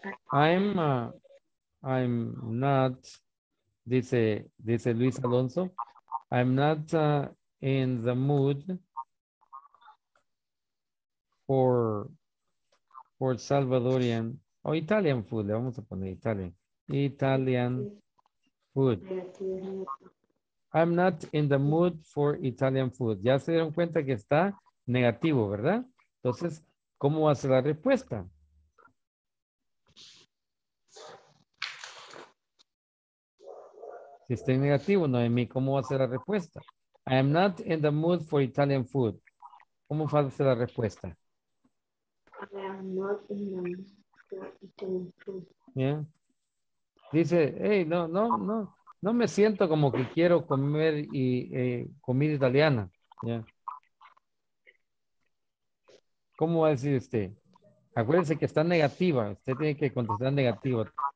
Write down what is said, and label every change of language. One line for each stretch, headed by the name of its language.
English: I'm not,
Spanish: dice
English: Luis Alonso, I'm not in the mood for Salvadorian o Italian food,
Spanish: le vamos a poner
English: Italian food. I'm not in the mood for Italian food.
Spanish: Ya se dieron cuenta que está negativo, ¿verdad? Entonces, ¿cómo va a ser la respuesta? Si está en negativo, Noemí, ¿cómo va a ser la respuesta?
English: I am not in the mood for Italian food.
Spanish: ¿Cómo va a ser la respuesta?
English: I am not in the mood for Italian food.
Spanish: Yeah. Dice, hey, no me siento como que quiero comer y comida italiana. Yeah. ¿Cómo va a decir usted? Acuérdense que está negativa. Usted tiene que contestar negativa.